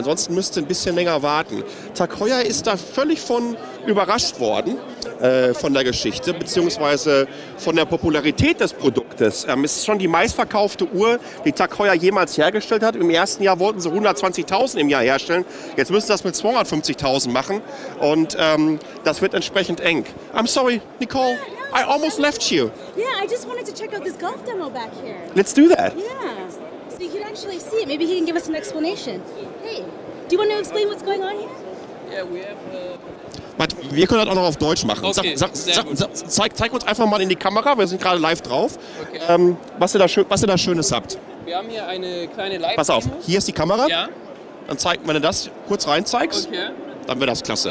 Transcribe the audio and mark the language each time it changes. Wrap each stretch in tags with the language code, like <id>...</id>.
<de>Ansonsten müsst ihr ein bisschen länger warten. Takoya ist da völlig von überrascht worden, von der Geschichte, beziehungsweise von der Popularität des Produktes. Es ist schon die meistverkaufte Uhr, die Takoya jemals hergestellt hat. Im ersten Jahr wollten sie 120.000 im Jahr herstellen. Jetzt müssen sie das mit 250.000 machen. Und das wird entsprechend eng.</de> <en>I'm sorry, Nicole. I almost left you. Yeah, I just wanted to check out this golf demo back here. Let's do that. Yeah. So you can actually see it. Maybe he can give us an explanation. Hey, do you want to explain what's going on here? Yeah, we have...</en> <de>Warte, wir können das auch noch auf Deutsch machen. Okay, zeig uns einfach mal in die Kamera, wir sind gerade live drauf, okay. Was ihr da Schönes habt. Wir haben hier eine kleine Live-Demo. Pass auf, hier ist die Kamera. Ja. Dann zeig, wenn du das kurz rein zeigst, okay, dann wird das klasse.</de>